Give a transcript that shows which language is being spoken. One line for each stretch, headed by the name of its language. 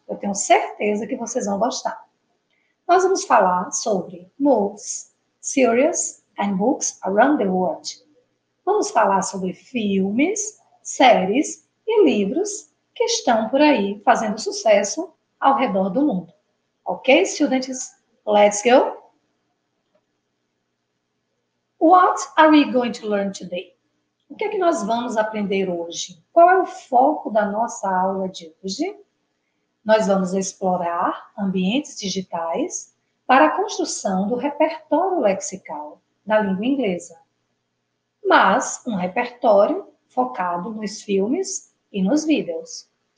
Portuguese: Eu tenho certeza que vocês vão gostar. Nós vamos falar sobre
English: movies, series and books around the world.
Portuguese: Vamos falar sobre filmes, séries e livros que estão por aí fazendo sucesso ao redor do mundo.
English: Ok, students? Let's go! What are we going to learn today?
Portuguese: O que é que nós vamos aprender hoje? Qual é o foco da nossa aula de hoje? Nós vamos explorar ambientes digitais para a construção do repertório lexical da língua inglesa. Mas um repertório focado nos filmes e nos vídeos.